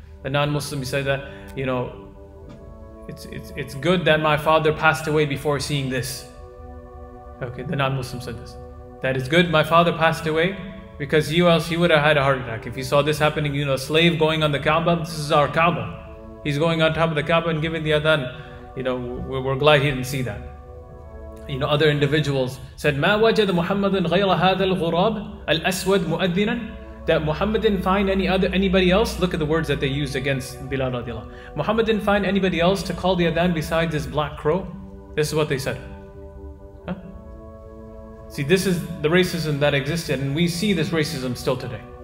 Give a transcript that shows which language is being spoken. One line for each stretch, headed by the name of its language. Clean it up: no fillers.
English: The non-Muslim, he said that, it's good that my father passed away before seeing this. Okay, the non-Muslim said this. That is good, my father passed away, because he would have had a heart attack. If he saw this happening, a slave going on the Kaaba, this is our Kaaba. He's going on top of the Kaaba and giving the adhan. We're glad he didn't see that. Other individuals said,
Arabic: مَا وَجَدَ مُحَمَّدٌ غَيْرَ هَذَا الْغُرَابِ الْأَسْوَدْ مُؤَذِّنًا.
English: That Muhammad didn't find anybody else. Look at the words that they used against Bilal radiallahu anhu. Muhammad didn't find anybody else to call the adhan besides this black crow. This is what they said. See, this is the racism that existed, and we see this racism still today.